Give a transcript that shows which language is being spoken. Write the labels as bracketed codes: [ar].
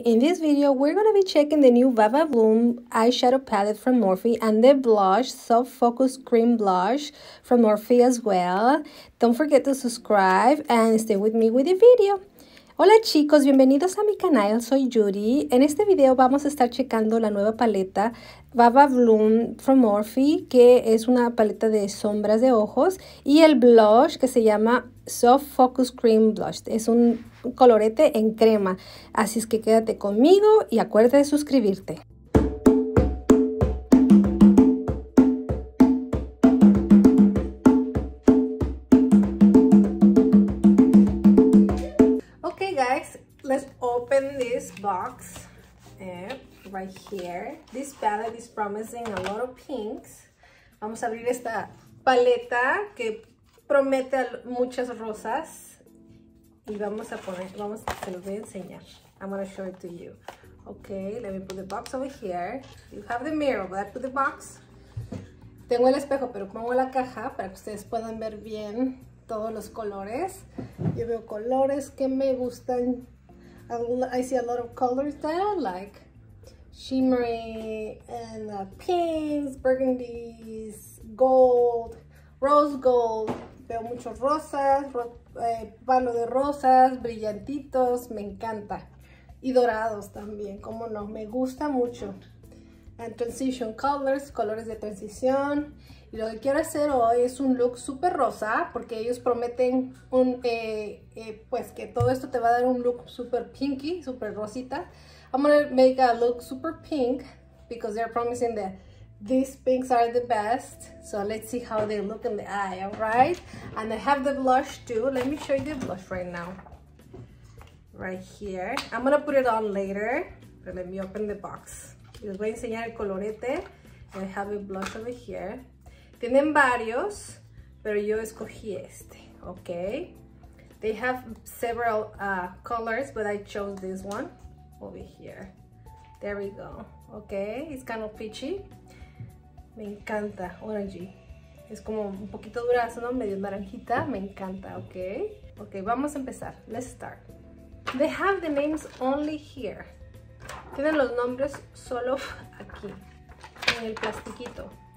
[en] In this video, we're going to be checking the new VA VA BLOOM eyeshadow palette from Morphe and the blush, Soft-Focus Cream Blush from Morphe as well. Don't forget to subscribe and stay with me with the video. [es] Hola chicos, bienvenidos a mi canal. Soy Judy. En este video vamos a estar checando la nueva paleta VA VA BLOOM from Morphe, que es una paleta de sombras de ojos, y el blush que se llama Soft-Focus Cream Blush. Es un colorete en crema, así es que quédate conmigo y acuérdate de suscribirte. [en] Okay guys, let's open this box right here. This palette is promising a lot of pinks. [es] Vamos a abrir esta paleta que promete muchas rosas. Y vamos a poner, vamos, se los voy a enseñar. [en] I'm going to show it to you. Okay, let me put the box over here. You have the mirror, but I put the box. [es] Tengo el espejo, pero pongo la caja para que ustedes puedan ver bien todos los colores. Yo veo colores que me gustan. [en] I see a lot of colors that I like. Shimmery and pinks, burgundies, gold, rose gold. [es] Veo muchos rosas, palo de rosas, brillantitos, me encanta. Y dorados también, como no, me gusta mucho. [en] And transition colors, [es] colores de transición. Y lo que quiero hacer hoy es un look súper rosa, porque ellos prometen un, pues que todo esto te va a dar un look súper pinky, súper rosita. [en] I'm gonna make a look super pink, because they're promising that these pinks are the best, so let's see how they look in the eye, all right? And I have the blush too. Let me show you the blush right now. Right here. I'm gonna put it on later, but let me open the box. [es] Les voy a enseñar el colorete. [en] I have a blush over here. [es] Tienen varios, pero yo escogí este, okay? [en] They have several colors, but I chose this one over here. There we go, okay? It's kind of peachy. [es] Me encanta, orangey. Es como un poquito durazo, ¿no? Medio naranjita. Me encanta, ¿ok? Ok, vamos a empezar. [en] Let's start. They have the names only here. [es] Tienen los nombres solo aquí. En el plastiquito.